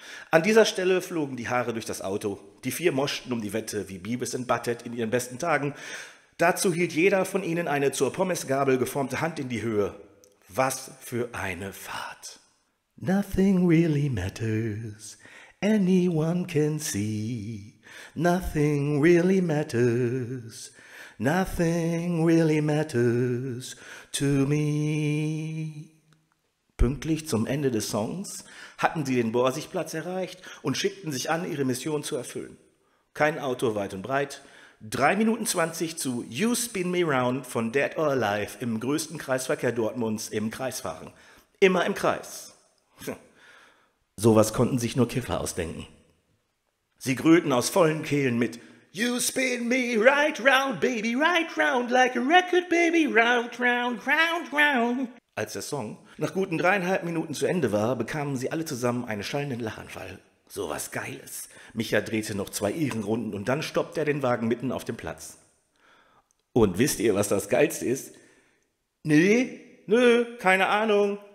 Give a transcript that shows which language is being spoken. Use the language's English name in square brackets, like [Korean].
[German] An dieser Stelle flogen die Haare durch das Auto. Die vier moschten um die Wette wie Beavis und Butthead in ihren besten Tagen. Dazu hielt jeder von ihnen eine zur Pommesgabel geformte Hand in die Höhe. Was für eine Fahrt. [English] Nothing really matters. Anyone can see. Nothing really matters. Nothing really matters to me. [German] Pünktlich zum Ende des Songs hatten sie den Borsigplatz erreicht und schickten sich an, ihre Mission zu erfüllen. Kein Auto weit und breit. 3:20 zu You Spin Me Round von Dead or Alive im größten Kreisverkehr Dortmunds im Kreisfahren. Immer im Kreis. Sowas konnten sich nur Kiffer ausdenken. Sie grölten aus vollen Kehlen mit [English] You spin me right round, baby, right round, like a record, baby, round, round, round, round. [German] Als der Song nach guten 3,5 Minuten zu Ende war, bekamen sie alle zusammen einen schallenden Lachanfall. Sowas Geiles. Micha drehte noch 2 Ehrenrunden und dann stoppte er den Wagen mitten auf dem Platz. Und wisst ihr, was das Geilste ist? Nee, nö, keine Ahnung,